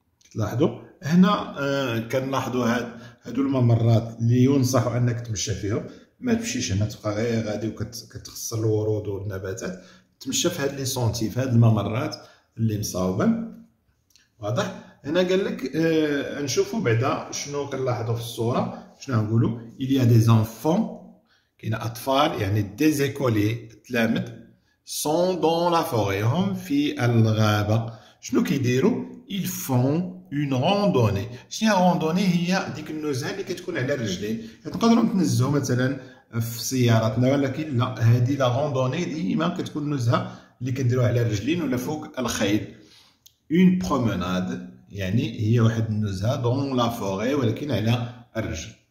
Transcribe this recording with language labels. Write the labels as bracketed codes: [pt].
[ar] تلاحظو هنا كنلاحظو هادو الممرات اللي ينصحو أنك تمشى فيهم، ما تمشيش هنا، تبقى غير غادي وكتخسر الورود والنباتات. تمشى في هاد لي سونتي، في هاد الممرات اللي مصاوبة، واضح؟ هنا قال لك نشوفوا بعدا شنو كنلاحظوا في الصوره. شنو نقولوا؟ [fr] il y a des enfants، [ar] كاين اطفال، يعني [fr] des écoliers، [ar] تلامذ، [fr] sont dans la forêt، [ar] هم في الغابه. شنو كيديروا؟ [fr] ils font une randonnée. [ar] شنو هي randonnée؟ هي ديك النزهه اللي كتكون على الرجلين، يعني تقدروا تنزهوا مثلا في سيارتنا، ولكن لا، هذه لا randonnée ديما كتكون نزهه اللي كديروها على الرجلين ولا فوق الخيل. [fr] une promenade، [ar] يعني هي واحد النزهة دون لا فوغي، ولكن على الرجل.